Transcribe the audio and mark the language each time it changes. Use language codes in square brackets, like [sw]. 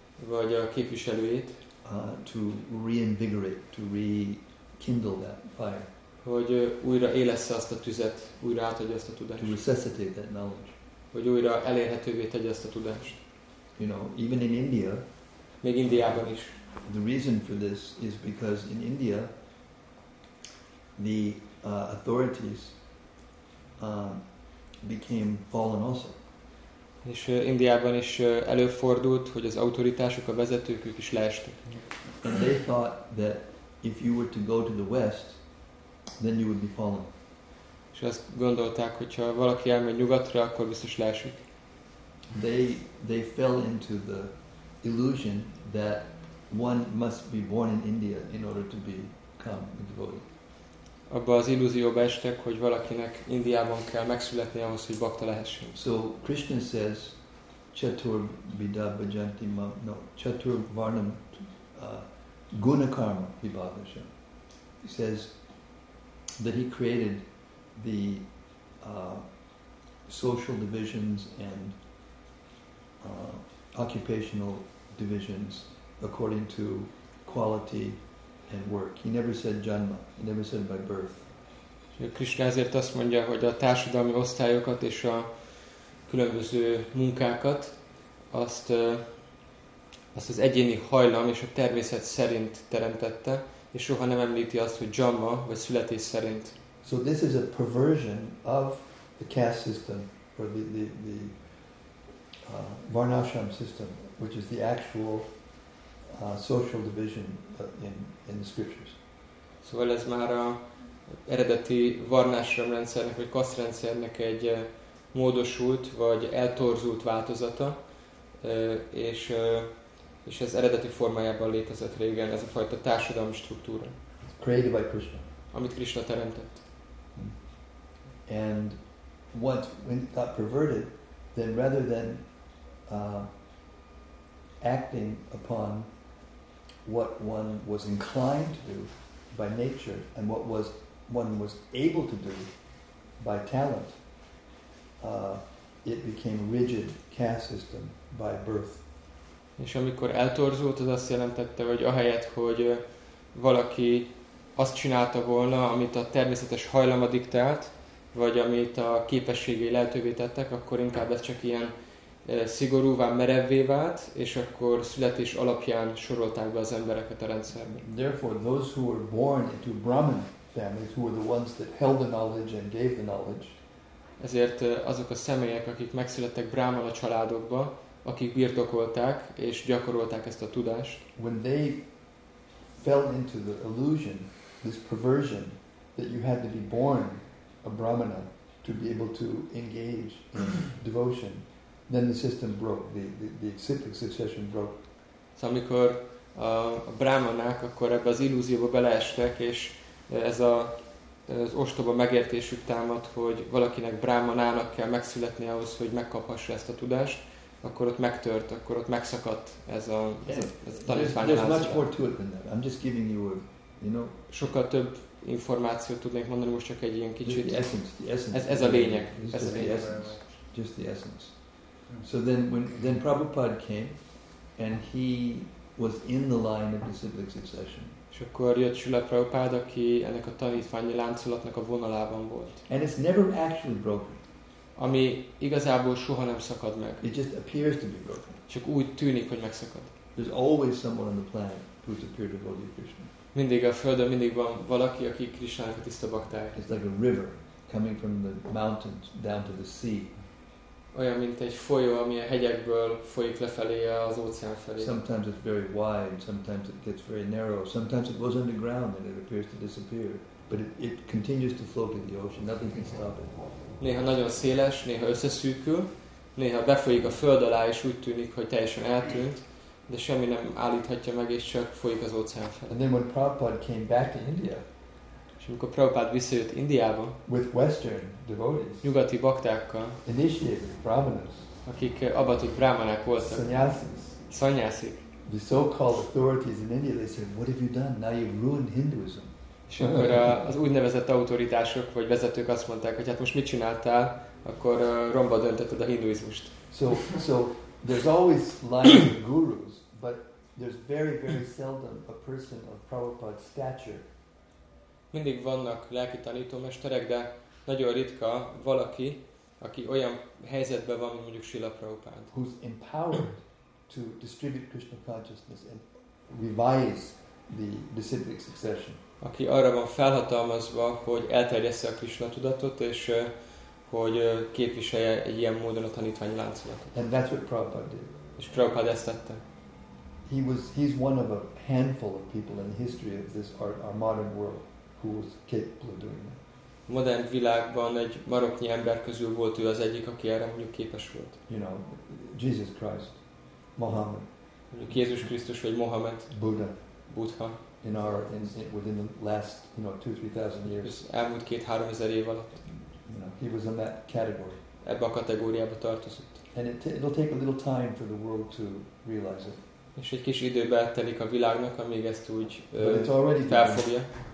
[hu] vagy a képviselőjét, [en] to reinvigorate, to rekindle that fire. [hu] Hogy újra élessze azt a tüzet, újra átadja azt a tudást. [en] To resuscitate that knowledge. [hu] Hogy újra elérhetővé tegye azt a tudást. [en] You know, even in India, [hu] még Indiában is. [en] The reason for this is because in India, the authorities became fallen also. [hu] És Indiában is előfordult, hogy az autoritások, a vezetők, ők is leestek. [en] And they thought that if you were to go to the West, then you would be fallen. [hu] És azt gondolták, hogy ha valaki elmegy nyugatra, akkor biztos leesik. [en] They fell into the illusion that one must be born in India in order to become a devotee. [hu] Abba az illúzióba estek, hogy valakinek Indiában kell megszületni ahhoz, hogy bakta lehessen. [en] So Krishna says, [sa] chatur vidha bhajanti mam, no, chatur varnam guna karma vibhagasham. [en] He says that he created the social divisions and occupational divisions according to quality and work. He never said janma, he never said by birth. [hu] Krishna ezért azt mondja, hogy a társadalmi osztályokat és a különböző munkákat azt az egyéni hajlam és a természet szerint teremtette, és soha nem említi azt, hogy janma vagy születés szerint. [en] So this is a perversion of the caste system, or the varnashram system, which is the actual social division in the scriptures. [hu] Szóval ez már az eredeti varnashram rendszernek vagy kaszt rendszernek egy módosult vagy eltorzult változata, és ez eredeti formájában létezett régen, ez a fajta társadalmi struktúra. [en] It's created by Krishna. [hu] Amit Krishna teremtett. [en] And once when it got perverted, then rather than acting upon what one was inclined to do, by nature and what was one was able to do by talent, it became rigid caste system by birth. [hu] És amikor eltorzult, az azt jelentette, hogy ahelyett, hogy valaki azt csinálta volna, amit a természetes hajlama diktált, vagy amit a képességei lehetővé tettek, akkor inkább ez csak ilyen szigorúvá, merevvé vált, és akkor születés alapján sorolták be az embereket a rendszerbe. [en] Therefore, those who were born into Brahmin families, who were the ones that held the knowledge and gave the knowledge. [hu] Ezért azok a személyek, akik megszülettek Brahmin a családokba, akik birtokolták és gyakorolták ezt a tudást. [en] When they fell into the illusion, this perversion, that you had to be born a Brahmana to be able to engage in devotion, then the system broke, the cyclic succession broke. [hu] So, amikor a brahmanák akkor ebbe az illúzióba beleestek, és ez az ostoba megértésük támadt, hogy valakinek brahmanának kell megszületni ahhoz, hogy megkaphassa ezt a tudást, akkor ott megtört, akkor ott megszakadt ez a, ez a tanítványi lázadás. [en] There's much more to it than that. I'm just giving you a, you know... [hu] Sokkal több információt tudnék mondani, most csak egy ilyen kicsit. [en] The essence. [hu] Ez a lényeg. [en] Just the essence. So then Prabhupada came, and he was in the line of the cyclic succession. [hu] És akkor jött Srila Prabhupada, aki ennek a tanítványi láncolatnak a vonalában volt. [en] And it's never actually broken. [hu] Ami igazából soha nem szakad meg. [en] It just appears to be broken. [hu] Csak úgy tűnik, hogy megszakad. [en] There's always someone on the planet who's a pure devotee of Krishna. [hu] Mindig a földön mindig van valaki, aki Krishnának a tiszta baktája. [en] It's like a river coming from the mountains down to the sea. [hu] Olyan, mint egy folyó, ami a hegyekből folyik lefelé az óceán felé. [en] Sometimes it's very wide, sometimes it gets very narrow, sometimes it goes underground and it appears to disappear. But it continues to flow to the ocean, nothing can stop it. [hu] Néha nagyon széles, néha összeszűkül, néha befolyik a föld alá, és úgy tűnik, hogy teljesen eltűnt, de semmi nem állíthatja meg, és csak folyik az óceán felé. [en] And then when Prabhupada came back to India, [hu] és amikor Prabhupada visszajött Indiába, [en] with Western devotees, [hu] nyugati baktákkal, [en] initiated brahmanas, [hu] akik abatut brahmanák voltak, [en] sanyasik, the so-called authorities in India, they said, what have you done? Now you've ruined Hinduism. [hu] És akkor az úgynevezett autoritások vagy vezetők azt mondták, hogy hát most mit csináltál, akkor romba döntetted a hinduizmust. [en] So there's always lines of gurus, but there's very, very seldom a person of Prabhupada's stature. [hu] Mindig vannak lelki tanítómesterek, de nagyon ritka valaki, aki olyan helyzetben van, mint mondjuk Srila Prabhupada. [en] Who's empowered to distribute Krishna consciousness and revise the disciplic succession. [hu] Aki arra van felhatalmazva, hogy elterjessze a Krishna tudatot, és hogy képviselje egy ilyen módon a tanítványi láncolatot. [en] And that's what Prabhupada did. [hu] És Prabhupada ezt tette. [en] He's one of a handful of people in the history of this our modern world who was capable of doing that. [hu] A modern világban egy maroknyi ember közül volt ő az egyik, aki erre mondjuk képes volt. [en] You know, Jesus Christ, Muhammad. [hu] Mondjuk Jézus Krisztus vagy Mohamed. [en] Buddha. In within the last, you know, 2-3,000 years. [hu] Elmúlt 2-3,000 év alatt. [en] He was in that category. [hu] Ebbe a kategóriába tartozott. [en] And it'll take a little time for the world to realize it. [hu] És egy kis időbe telik a világnak, amíg ezt úgy felfogja.